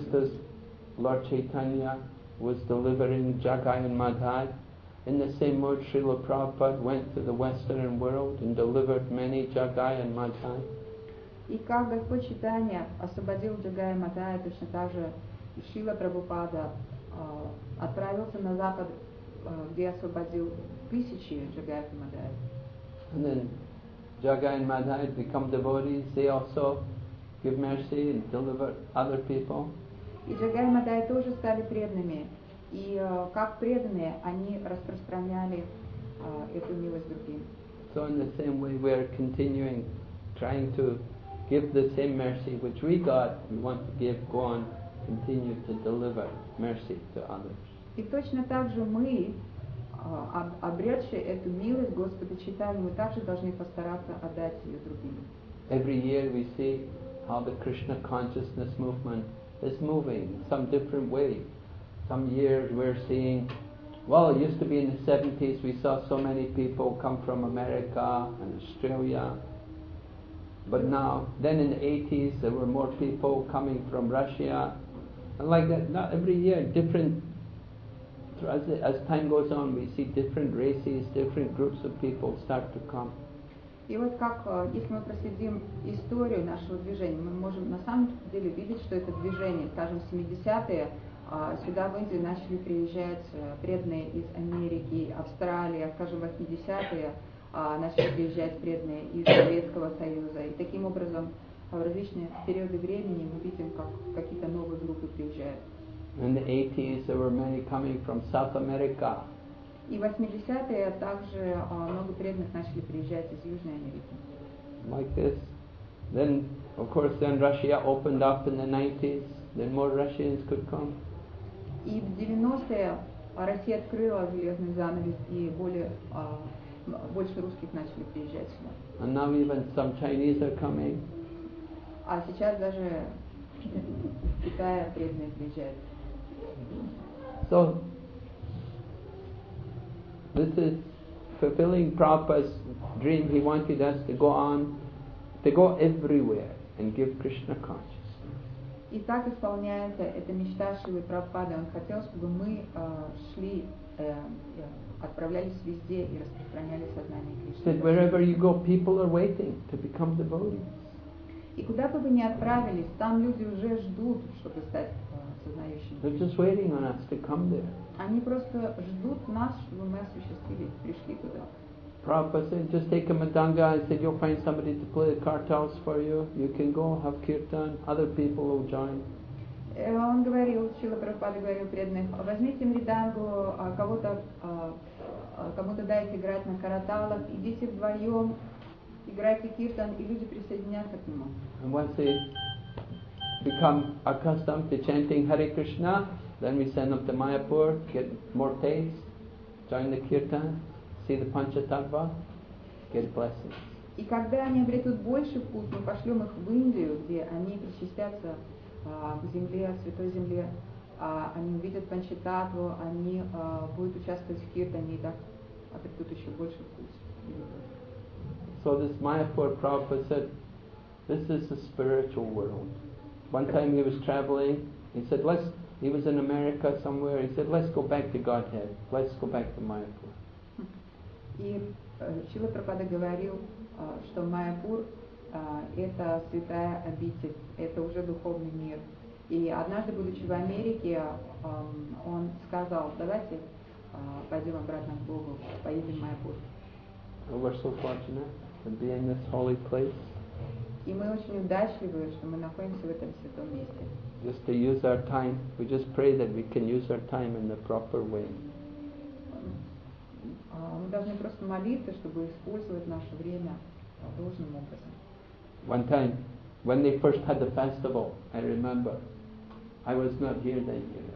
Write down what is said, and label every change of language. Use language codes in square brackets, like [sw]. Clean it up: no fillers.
[en] Just as Lord Chaitanya was delivering Jagai and Madhai, in the same mode Srila Prabhupada went to the Western world and delivered many Jagai and Madhai. [ru] И как Господь Чайтанья освободил Джагая Матая, точно так же Шрила Прабхупада отправился на Запад, где освободил тысячи Джагая и Матая. [en] And then Джагая и Матая become devotees, they also give mercy and deliver other people. [ru] И Джагая и Матая тоже стали преданными. И как преданные, они распространяли эту милость другим. [en] So in the same way we are continuing trying to give the same mercy which we got, we want to give, go on, continue to deliver mercy to others. [ru] И точно так же мы, обретшие эту милость Господа Чайтанья, мы также должны постараться отдать ее другим. [en] Every year we see how the Krishna consciousness movement is moving in some different way. Some years we're seeing, well, it used to be in the 70s, we saw so many people come from America and Australia. But now, then in the 80s, there were more people coming from Russia. And like that, not every year, different, as time goes on, we see different races, different groups of people start to come. [ru] И вот как, если мы проследим историю нашего движения, мы можем на самом деле видеть, что это движение, скажем, 70-е, сюда в Индию начали приезжать преданные из Америки, Австралии, скажем, 80-е, начали приезжать преданные из Советского Союза. И таким образом, в различные периоды времени мы видим, как какие-то новые группы приезжают. [en] In the 80s, there were many coming from South America. [ru] И в 80-е также много преданных начали приезжать из Южной Америки. [en] Like this. Then, of course, then Russia opened up in the 90s. Then more Russians could come. [ru] И в 90-е Россия открыла железный занавес и более... больше русских начали приезжать сюда. [en] And now even some Chinese are coming. [ru] А сейчас даже Китая преданные приезжают. [en] So this is fulfilling Prabhupada's dream. He wanted us to go on, to go everywhere and give Krishna consciousness. [ru] И так исполняется эта мечта Шрилы Прабхупады. Он хотел, чтобы мы шли. Отправлялись везде и распространяли сознание Кришны. [en] Wherever you go, people are waiting to become devotees. [ru] И куда бы вы ни отправились, там люди уже ждут, чтобы стать сознающими. [en] They're just waiting on us to come there. [ru] Они просто ждут нас, чтобы мы осуществили, пришли туда. [en] Prabhupada said, just take a madanga. I said, you'll find somebody to play the kartals for you. You can go have kirtan. Other people will join. [ru] Он говорил, Шрила Прабхупада говорил преданных, возьмите мридангу, кому-то дайте играть на караталах, идите вдвоем, играйте киртан, и люди присоединятся к нему. [en] And once he become accustomed to chanting Hare Krishna, then we send them to Mayapur, get more taste, join the kirtan, see the Panchatattva, get blessings. [ru] И когда они обретут больше вкус, мы пошлем их в Индию, где они причастятся к земле, святой земле, они увидят Панчататву, они будут участвовать в киртане, и так обретут еще больше вкус. [en] So this Mayapur Prabhupada said, this is the spiritual world. One time he was traveling, he said, he was in America somewhere, he said, let's go back to Godhead, let's go back to Mayapur. [ru] И Шрила Прабхупада говорил, что Майяпур это святая обитель, это уже духовный мир. И однажды, будучи в Америке, он сказал, давайте пойдем обратно к Богу, поедем в Майяпур. [en] We're so fortunate to be in this holy place. [ru] И мы очень удачливы, что мы находимся в этом святом месте. [en] Just to use our time, we just pray that we can use our time in the proper way. [ru] Мы должны просто молиться, чтобы использовать наше время должным образом. [en] One time, when they first had the festival, I remember, I was not here that year.